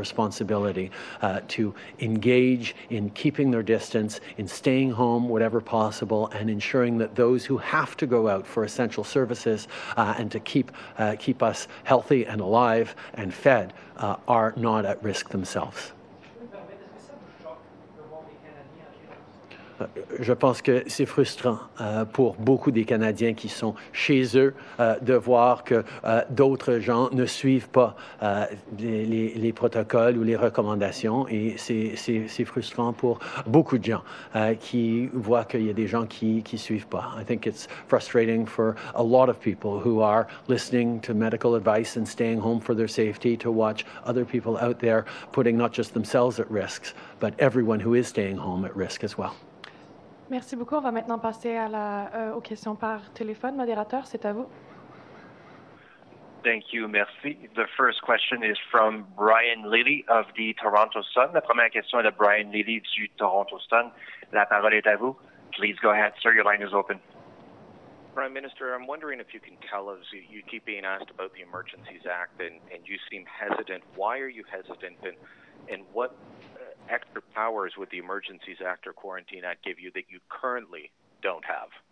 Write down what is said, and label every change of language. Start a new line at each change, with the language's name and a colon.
English: responsibility to engage in keeping their distance, in staying home whatever possible, and ensuring that those who have to go out for essential services and to keep us healthy and alive and fed are not at risk themselves.
French: Je pense que c'est frustrant pour beaucoup des Canadiens qui sont chez eux de voir que d'autres gens ne suivent pas les protocoles ou les recommandations. Et c'est frustrant pour beaucoup de gens qui voient qu'il y a des gens qui suivent pas.
English: I think it's frustrating for a lot of people who are listening to medical advice and staying home for their safety to watch other people out there putting not just themselves at risk, but everyone who is staying home at risk as well.
French: Merci beaucoup. On va maintenant passer à aux questions par téléphone. Modérateur, c'est à vous.
English: Thank you.
French: Merci.
English: The first question is from Brian Lilly of the Toronto Sun.
French: La première question est de Brian Lilly du Toronto Sun. La parole est à vous.
English: Please go ahead, sir. Your line is open. Prime Minister, I'm wondering if you can tell us, you keep being asked about the Emergencies Act and you seem hesitant. Why are you hesitant and what extra powers would the Emergencies Act or Quarantine Act give you that you currently don't have?